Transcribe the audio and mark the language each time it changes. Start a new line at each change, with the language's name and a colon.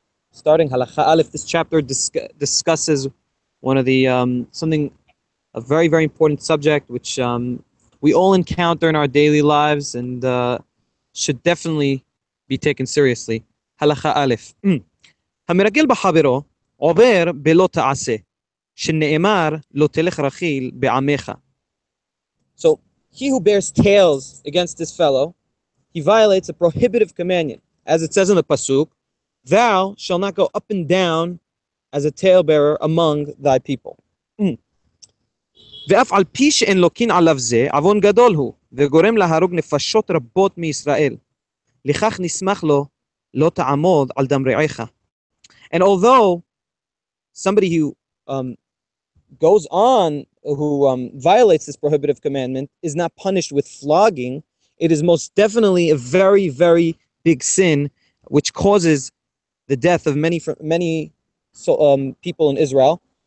English: Starting Halacha Aleph, this chapter discusses one of the something a very, very important subject which we all encounter in our daily lives and should definitely be taken seriously. Halacha Aleph.
Hebrew: עובר בלא תעשה, שנאמר לא תלך רכיל בעמך.
English: So, he who bears tales against his fellow, he violates a prohibitive commandment, as it says in the Pasuk, thou shall not go up and down as a talebearer among thy people.
Hebrew: ואף על פי שאין לוקין עליו זה, עוון גדול הוא, וגורם להרוג נפשות רבות מישראל. לכך נשמח לו, לא תעמוד על דם רעיך.
English: And although somebody who goes on, who violates this prohibitive commandment, is not punished with flogging, it is most definitely a very, very big sin, which causes the death of many people in Israel.